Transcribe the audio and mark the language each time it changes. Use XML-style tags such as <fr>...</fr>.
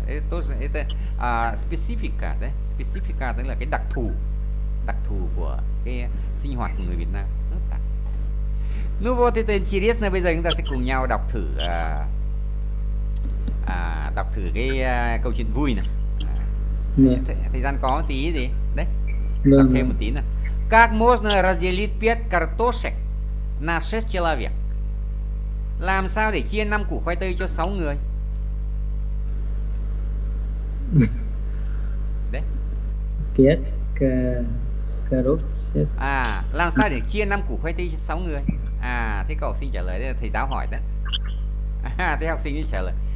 <vi>Tốt specific đấy, specific tức là cái đặc thù của cái sinh hoạt của người Việt Nam.</vi> <ru>Ну вот это интересно,</ru> <vi>bây giờ chúng ta sẽ cùng nhau đọc thử cái câu chuyện vui này. Thời gian có tí gì đấy.</vi> <ru>Так, тему тина. Как можно разделить 5 картошек на 6 человек?</ru> <vi>Làm sao để chia 5 củ khoai tây cho 6 người? Đấy. 5 Carob, à làm sao để chia 5 củ khoai tây cho 6 người? À thế cậu xin trả lời, đây là thầy giáo hỏi đấy. À, thế học sinh trả lời.</vi>